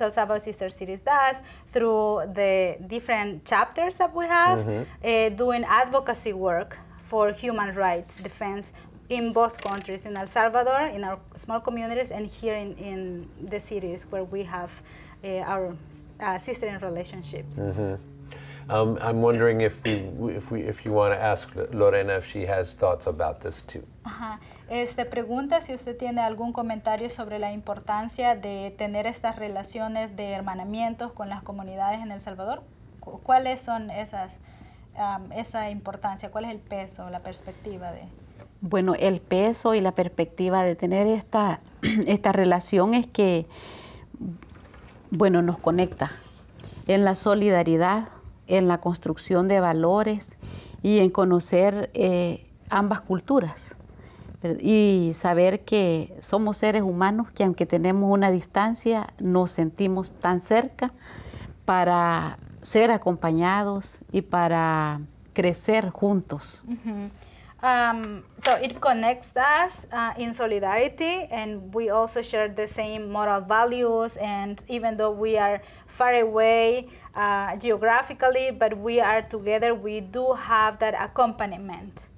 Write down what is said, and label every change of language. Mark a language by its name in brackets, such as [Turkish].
[English] El Salvador Sister Cities does through the different chapters that we have, doing advocacy work for human rights defense in both countries, in El Salvador, in our small communities, and here in the cities where we have our sistering relationships. Mm-hmm. I'm wondering if you want to ask Lorena if she has thoughts about this too. [Spanish] Este pregunta si usted tiene algún comentario sobre la importancia de tener estas relaciones de hermanamientos con las comunidades en El Salvador. ¿Cuáles son esas esa importancia? ¿Cuál es el peso, la perspectiva de? Bueno, el peso y la perspectiva de tener esta relación es que, bueno, nos conecta en la solidaridad, en la construcción de valores y en conocer ambas culturas. Y saber que somos seres humanos que aunque tenemos una distancia, nos sentimos tan cerca para ser acompañados y para crecer juntos. [English] So it connects us in solidarity, and we also share the same moral values, and even though we are far away geographically, but we are together, we do have that accompaniment.